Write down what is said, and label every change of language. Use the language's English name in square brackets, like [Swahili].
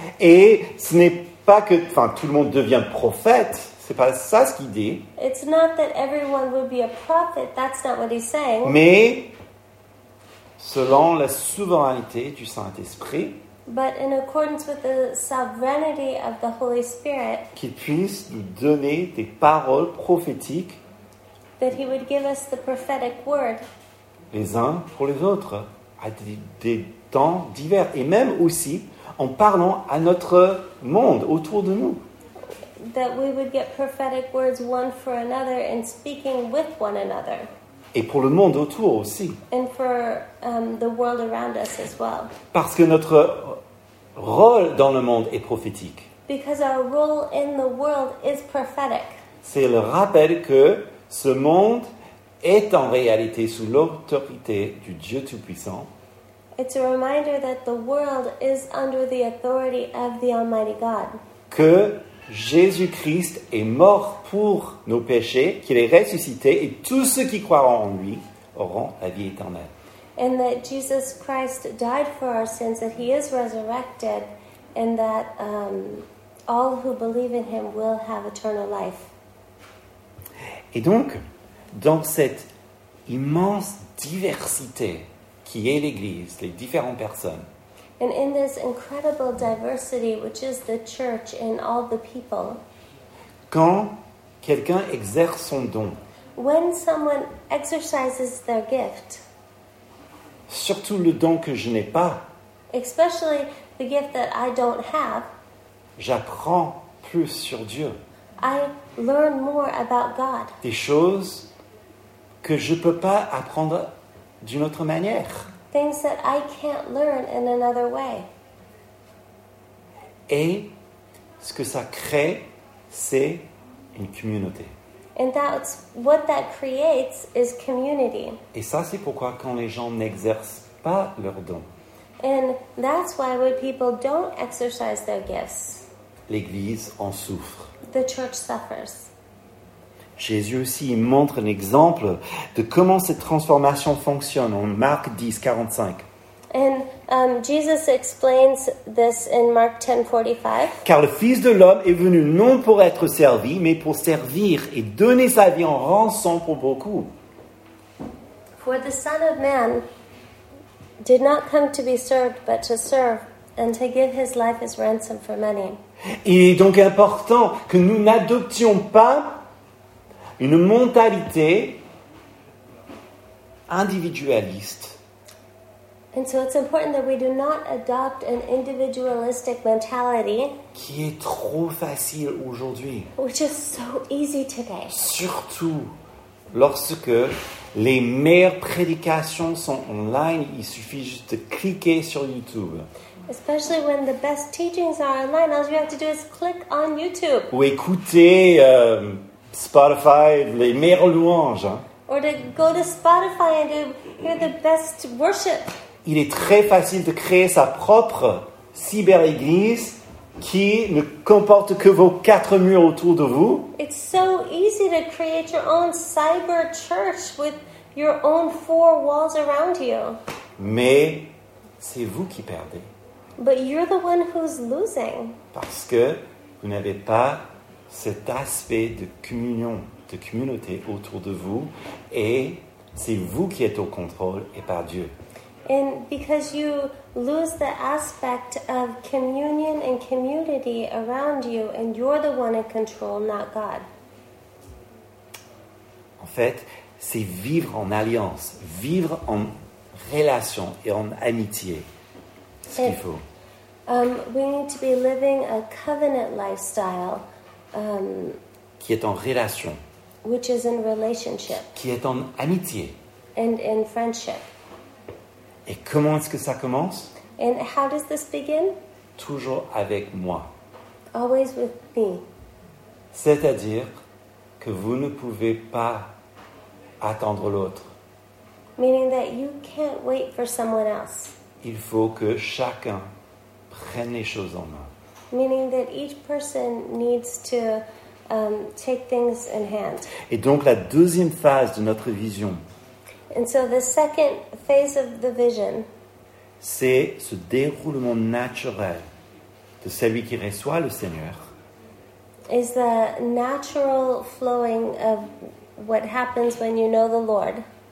[French] Et ce n'est pas que, enfin, tout le monde devient prophète. C'est pas ça ce qu'il dit. [English] It's not that everyone would be a prophet. That's not what he's saying. [French] Mais selon la souveraineté du Saint-Esprit. [English] But in accordance with the sovereignty of the Holy Spirit. [French] Qu'il puisse nous donner des paroles prophétiques. [English] That he would give us the prophetic word. [French] Les uns pour les autres. À des temps divers. Et même aussi en parlant à notre monde autour de nous. [English] That we would get prophetic words one for another in speaking with one another. [French] Et pour le monde autour aussi. [English] And for the world around us as well. [French] Parce que notre rôle dans le monde est prophétique. [English] Because our role in the world is prophetic. [French] C'est le rappel que ce monde est en réalité sous l'autorité du Dieu Tout-Puissant. [English] It's a reminder that the world is under the authority of the Almighty God. [French] Que Jésus-Christ est mort pour nos péchés, qu'il est ressuscité, et tous ceux qui croiront en lui auront la vie éternelle. [English] And that Jesus Christ died for our sins, that he is resurrected, and that all who believe in him will have eternal life. [French] Et donc, dans cette immense diversité qui est l'Église, les différentes personnes. [English] And in this incredible diversity, which is the church and all the people. [French] Quand quelqu'un exerce son don. [English] When someone exercises their gift. [French] Surtout le don que je n'ai pas. [English] Especially the gift that I don't have. [French] J'apprends plus sur Dieu. [English] I learn more about God. [French] Des choses que je ne peux pas apprendre d'une autre manière. [English] Things that I can't learn in another way. [French] Et ce que ça crée, c'est une communauté. [English] And that's what that creates is community. [French] Et ça, c'est pourquoi quand les gens n'exercent pas leurs dons. [English] And that's why when people don't exercise their gifts. [French] L'Église en souffre. [English] The church suffers. [French] Jésus aussi montre un exemple de comment cette transformation fonctionne en Marc 10, 45. [English] And Jesus explains this in Mark 10, 45. [French] Car le Fils de l'homme est venu non pour être servi, mais pour servir et donner sa vie en rançon pour beaucoup. [English] For the Son of Man did not come to be served, but to serve and to give his life as ransom for many. [French] Il est donc important que nous n'adoptions pas une mentalité individualiste. [English] And so it's important that we do not adopt an individualistic mentality. [French] Qui est trop facile aujourd'hui. [English] Which is so easy today. [French] Surtout lorsque les meilleures prédications sont online, il suffit juste de cliquer sur YouTube. [English] Especially when the best teachings are online, all you have to do is click on YouTube. [French] Ou écouter Spotify, les meilleures louanges. [English] Or to go to Spotify and to hear the best worship. [French] Il est très facile de créer sa propre cyber-église qui ne comporte que vos quatre murs autour de vous. [English] It's so easy to create your own cyber church with your own four walls around you. [French] Mais c'est vous qui perdez. [English] But you're the one who's losing. [French] Parce que vous n'avez pas cet aspect de communion, de communauté autour de vous, et c'est vous qui êtes au contrôle et pas Dieu. [English] And because you lose the aspect of communion and community around you, and you're the one in control, not God. [French] En fait, c'est vivre en alliance, vivre en relation et en amitié, ce qu'il faut. [English] We need to be living a covenant lifestyle. [French] Qui est en relation. [English] Which is in relationship. [French] Qui est en amitié. [English] And in friendship. [French] Et comment est-ce que ça commence? [English] And how does this begin? [French] Toujours avec moi. [English] Always with me. [French] C'est-à-dire que vous ne pouvez pas attendre l'autre. [English] Meaning that you can't wait for someone else. [French] Il faut que chacun prenne les choses en main. [English] meaning that each person needs to take things in hand. [French] Et donc la deuxième phase de notre vision. [English] And so the second phase of the vision. [French] C'est ce déroulement naturel de celui qui reçoit le Seigneur. [English] Is the natural flowing of what happens when you know the Lord.